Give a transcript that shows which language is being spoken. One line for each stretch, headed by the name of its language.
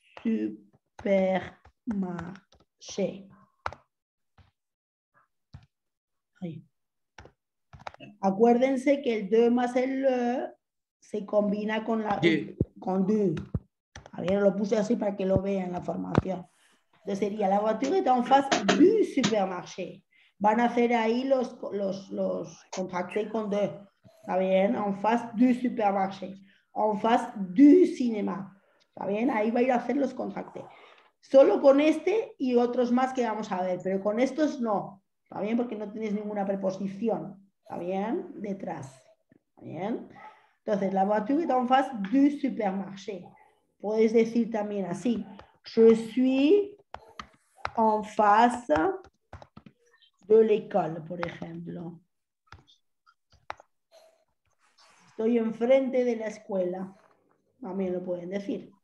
French: Supermarché.
Spanish: Ahí. Acuérdense que el de más el le se combina con la con du. A ver, lo puse así para que lo vean la formación. Entonces sería
French: la voiture est en face du supermarché.
Spanish: Van a hacer ahí los contracté con de. ¿Está bien?
French: En face du supermarché. En face du cinema.
Spanish: ¿Está bien? Ahí va a ir a hacer los contactos. Solo con este y otros más que vamos a ver, pero con estos no. ¿Está bien? Porque no tienes ninguna preposición. ¿Está bien? Detrás. ¿Está bien? Entonces,
French: la voiture est en face du supermarché.
Spanish: Puedes decir también así.
French: Je suis en face de l'école,
Spanish: por ejemplo. Estoy enfrente de la escuela. También lo pueden decir.